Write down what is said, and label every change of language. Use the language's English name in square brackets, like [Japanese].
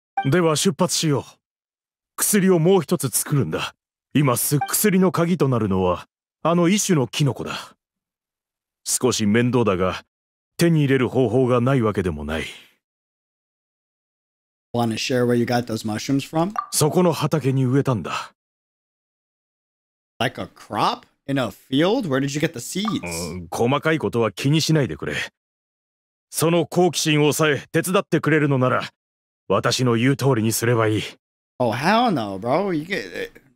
[Japanese] では出発しよう。薬をもう一つ作るんだ。今す薬の鍵となるのはあの一種のキノコだ。少し面倒だが、手に入れる方法がないわけでもない。 [English] Wanna share where you got those mushrooms from? [Japanese] そこの畑に植えたんだ。 [English] Like a crop? In a field? Where did you get the seeds? [Japanese] 細かいことは気にしないでくれ。その好奇心を抑え、手伝ってくれるのなら、私の言う通りにすればいい。 [English] Oh, hell no, bro. You get it.